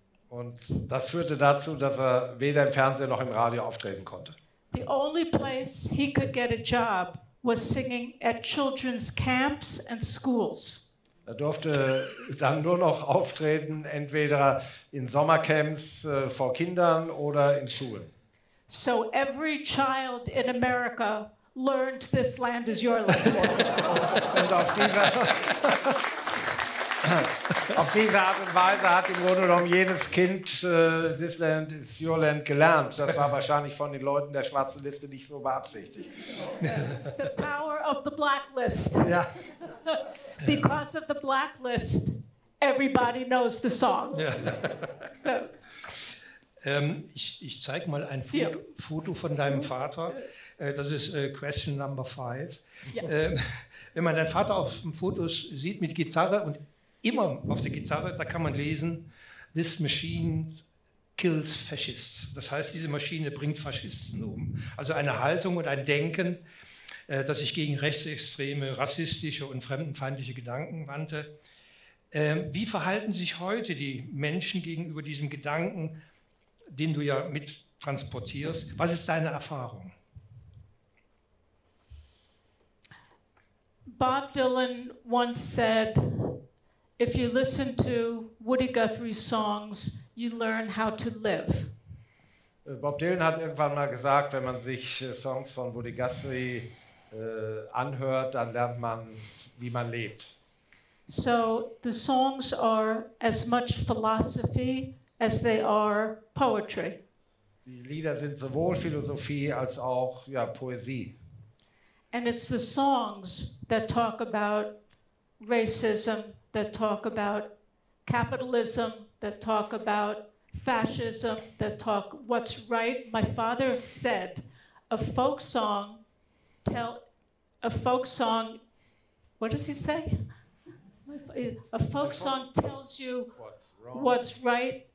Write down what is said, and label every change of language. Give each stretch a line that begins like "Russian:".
German: Und das führte dazu, dass er weder im Fernsehen noch im Radio auftreten konnte.
English: The only place he could get a job was singing at children's camps and schools.
German: Er durfte dann nur noch auftreten, entweder in Sommercamps vor Kindern oder in Schulen.
English: So every child in America learned this land is your land.
German: Und auf diese Art und Weise hat im Grunde genommen jedes Kind this land is your land gelernt. Das war wahrscheinlich von den Leuten der schwarzen Liste nicht so beabsichtigt.
English: The power of the blacklist.
German: Ja.
English: Because of the blacklist, everybody knows the song.
German: Ja. ich zeig mal ein Foto von deinem Vater. Das ist
English: question number 5. Yeah.
German: Wenn man deinen Vater auf dem Foto sieht mit Gitarre und immer auf der Gitarre, da kann man lesen,
English: this machine kills fascists.
German: Das heißt, diese Maschine bringt Faschisten um. Also eine Haltung und ein Denken, das sich gegen rechtsextreme, rassistische und fremdenfeindliche Gedanken wandte. Wie verhalten sich heute die Menschen gegenüber diesem Gedanken, den du ja mit transportierst? Was ist deine Erfahrung?
English: Bob Dylan once said, if you listen to Woody Guthrie's songs, you learn how to live.
German: Bob Dylan hat irgendwann mal gesagt, wenn man sich Songs von Woody Guthrie anhört, dann lernt man, wie man lebt.
English: So the songs are as much philosophy as they are poetry.
German: Die Lieder sind sowohl Philosophie als auch Poesie.
English: And it's the songs that talk about racism, that talk about capitalism, that talk about fascism, that talk what's right. My father said, a folk song tells you what's right.